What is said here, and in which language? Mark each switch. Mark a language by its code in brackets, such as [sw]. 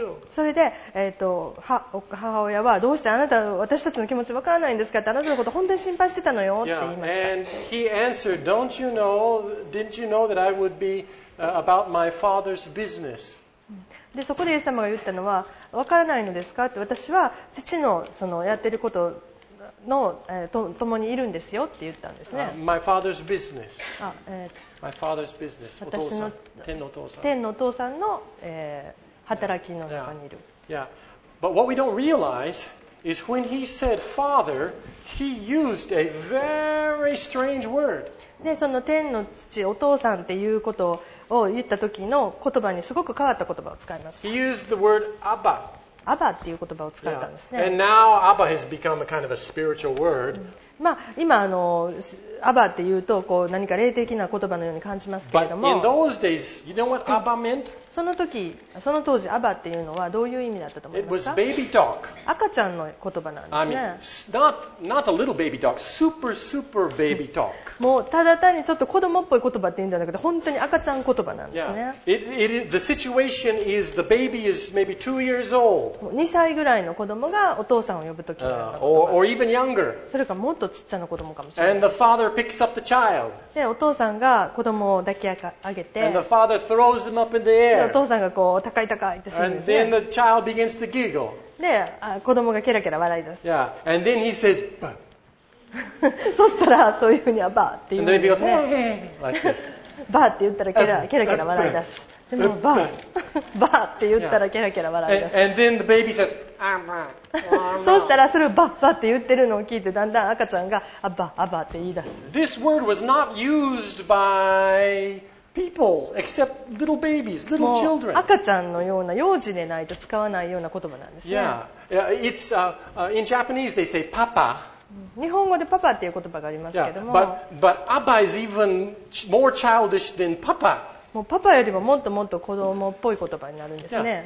[ja] それで、母親はどうしてあなた私たちの気持ちわからないんですかって、あなたのこと本当に心配してたのよって言いました。 [en] And he answered, Don't you know, didn't you know that I would be about my father's business? [ja] でそこでイエス様が言ったのは、わからないのですかって、私は父 そのやってることの、共にいるんですよって言ったんですね。 [en] My father's business. My father's business. [ja] 私の天のお父さん。天のお父さんの、働きの中にいる。 [en] Yeah. Yeah. But what we don't realize is when he said father, he used a very strange word. [ja] で、その天の父、お父さんっていうことを言った時の言葉にすごく変わった言葉を使いました。 [en] He used the word Abba. [ja] アバっていう言葉を使ったんですね。 [en] Yeah. And now Abba has become a kind of a spiritual word. [ja] まあ今アバっていうとこう何か霊的な言葉のように感じますけれども。 [en] But in those days, you know what Abba meant? [ja] その当時アバっていうのはどういう意味だったと思いますか [en] ？It was baby talk. 赤ちゃんの言葉なんですね。 I mean, not a little baby talk. Super, super baby talk. [ja] もうただ単にちょっと子供っぽい言葉っていうんじゃなくて、本当に赤ちゃん言葉なんですね。 [en] Yeah. The situation is the baby is maybe 2 years old. [ja] 2歳ぐらいの子供がお父さんを呼ぶときの [en] or even younger. [ja] それかもっとちっちゃな子供かもしれない。 [en] And the father picks up the child. [ja] で、お父さんが子供を抱き上げて。 [en] And the father throws him up in the air. [ja] お父さんがこう高い高いってするんですね。 [en] And then the child begins to giggle. [ja] で、子供がケラケラ笑い出す。 [en] Yeah. And then he says, bah. [ja] そしたらそういうふうにはバーって言うんですね。 [en] And then he goes, hey, like this. [ja] バーって言ったらケラケラ笑い出す。でもバー、バーって言ったらケラケラ笑い出す。 [en] And then the baby says, I'm not. [ja] そしたらそれをバッバッって言ってるのを聞いて、だんだん赤ちゃんがアバアバって言い出す。 [en] This word was not used byPeople, except little babies, little children. [ja] 赤ちゃんのような幼児でないと使わないような言葉なんですね。 [en] Yeah, it's in Japanese they say papa. [ja] 日本語でパパっていう言葉がありますけども。 [en] Yeah, but Abba is even more childish than papa. [ja] もうパパよりももっともっと子供っぽい言葉になるんですね。